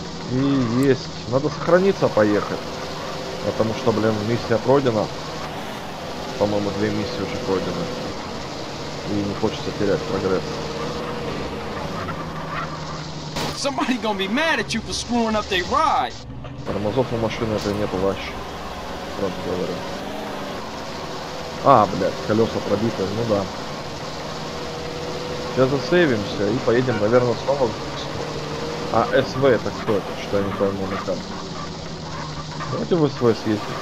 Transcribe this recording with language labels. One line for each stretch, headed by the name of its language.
Russian: И есть. Надо сохраниться, поехать. Потому что, блин, миссия пройдена. По-моему, две миссии уже пройдены. И не хочется терять прогресс.
English: Somebody gonna be mad at you for screwing up their ride.
Russian: Тормозов у машины это нету вообще. Правда говорю. А, блядь, колеса пробиты, ну да. Сейчас засейвимся и поедем, наверное, снова. А СВ это кто это? Что я не пойму на карте. Давайте в СВ съездим.